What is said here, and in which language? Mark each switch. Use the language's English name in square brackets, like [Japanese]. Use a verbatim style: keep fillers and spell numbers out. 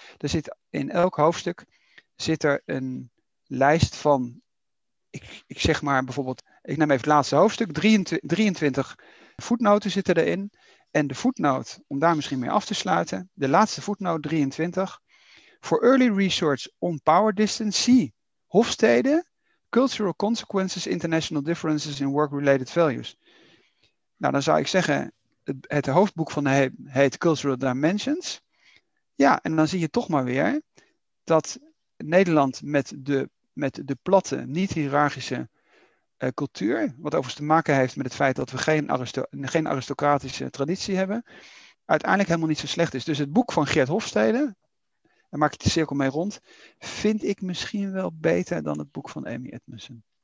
[Dutch] Er zit in elk hoofdstuk zit er een lijst van... Ik, ik zeg maar bijvoorbeeld, ik neem even het laatste hoofdstuk, drieëntwintig voetnoten zitten erin. En de voetnoot, om daar misschien mee af te sluiten, de laatste voetnoot drieëntwintig. [English] For early research on power distance, see Hofstede, cultural consequences, international differences in work-related values. [Dutch] Nou, dan zou ik zeggen, het, het hoofdboek van de heet Cultural Dimensions. Ja, en dan zie je toch maar weer dat Nederland met de met de platte, niet-hiërarchische uh, cultuur, wat overigens te maken heeft met het feit dat we geen, aristo- geen aristocratische traditie hebben, uiteindelijk helemaal niet zo slecht is. Dus het boek van Geert Hofstede, daar maak ik de cirkel mee rond, vind ik misschien wel beter dan het boek van Amy Edmondson.